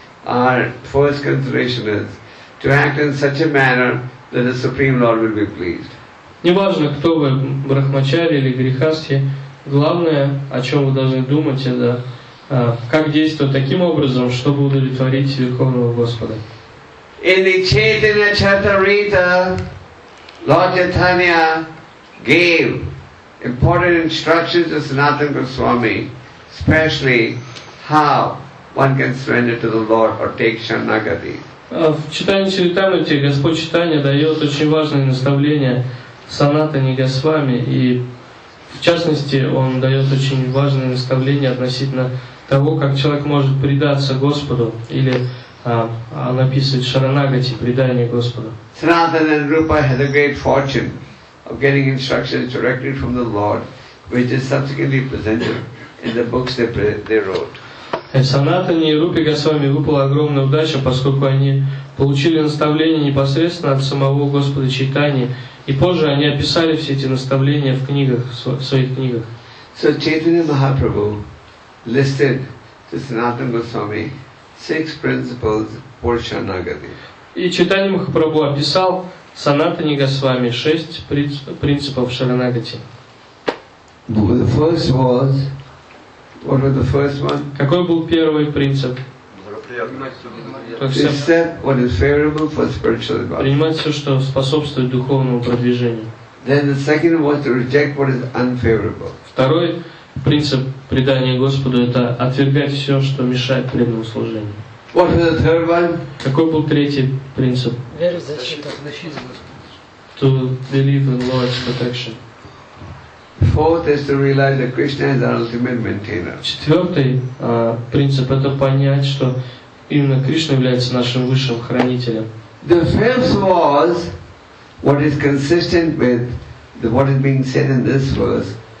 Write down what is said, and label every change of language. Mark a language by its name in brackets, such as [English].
[English] Our first consideration is to act in such a manner that the Supreme Lord will be pleased. [Russian] Неважно, кто вы, брахмачари или грихасти, главное, о чем вы должны думать, это Как действовать таким образом, чтобы удовлетворить Верховного Господа? [English] In the Chaitanya Charitamrita, Lord Chaitanya gave important instructions to Sanatana Goswami, especially how one can surrender to the Lord or take Sharanagati. [Russian] В читании Чайтаньи Господь Чайтанья дает очень важное наставление Санатане Госвами, и в частности он дает очень важное наставление относительно того, как человек может предаться Господу, или он описывает Шаранагати, предание Господу. [English] Sanatana and Rupa had the great fortune of getting instructions directly from the Lord, which is subsequently presented in the books they wrote. [Russian] Санатане и Рупе Госвами выпала огромная удача, поскольку они получили наставления непосредственно от самого Господа Чайтаньи, и позже они описали все эти наставления в книгах, в своих книгах. [English] So Chaitanya Mahaprabhu listed to Sanatana Goswami six principles for Sharanagati. [Russian] И Чайтанья Махапрабху описал Санатане Госвами шесть принципов Шаранагати. [English] The first was, what was the first one? [Russian] Какой был первый принцип? [English] Accept what is favorable for spiritual advancement. [Russian] Принимать все, что способствует духовному продвижению. [English] Then the second was to reject what is unfavorable. [Russian] Второй принцип предания Господу — это отвергать все, что мешает преданному служению. [English] What was the third one? [Russian] Какой был третий принцип? Вера, защита. [English] To believe in Lord's protection. Fourth is to realize that Krishna is our ultimate maintainer. [Russian] Четвертый принцип — это понять, что именно Кришна является нашим высшим хранителем. [English] The fifth was what is consistent with what is being said in this verse.